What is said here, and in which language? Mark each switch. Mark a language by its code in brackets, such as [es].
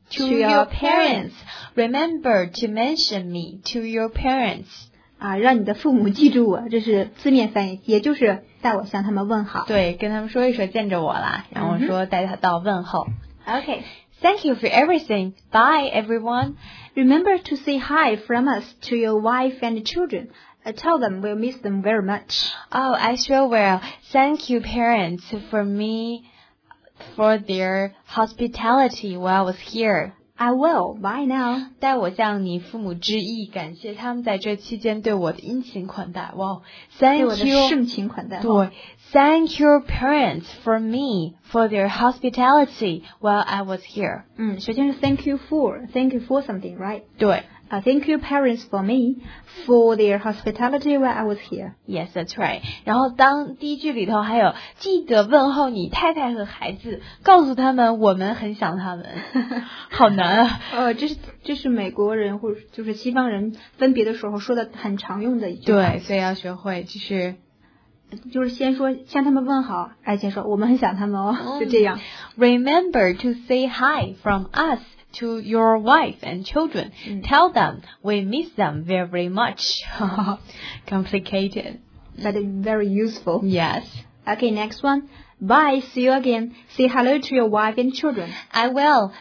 [en] to your parents. Remember to mention me to your parents. [zh] 啊，让你的父母记住我，这是字面翻译，也就是带我向他们问好。对，跟他们说一说见着我啦，然后说带他到问候。 [en] Okay. Thank you for everything. Bye, everyone. Remember to say hi from us to your wife and children. Tell them we'll miss them very much. Oh, I sure will. Thank you, parents, for me, for their hospitality while I was here. I will. Bye now. [zh] 带我向你父母致意，感谢他们在这期间对我的殷勤款待。 [en] Wow. Thank you. [zh] 对我的盛情款待。对。 [en] Thank your parents for me for their hospitality while I was here. [zh] 首先是 [en] thank you for something, right? [zh] 对。 [en] Thank your parents for me for their hospitality while I was here. Yes, that's right. [zh] 然后当第一句里头还有记得问候你太太和孩子，告诉他们我们很想他们。好难啊！这是美国人或者就是西方人分别的时候说的很常用的一句话。对，所以要学会就是先说向他们问好，而且说我们很想他们哦，就这样。 [en] Remember to say hi from us. To your wife and children, tell them we miss them very much. Complicated, but very useful. Yes. Okay, next one. Bye. See you again. Say hello to your wife and children. I will.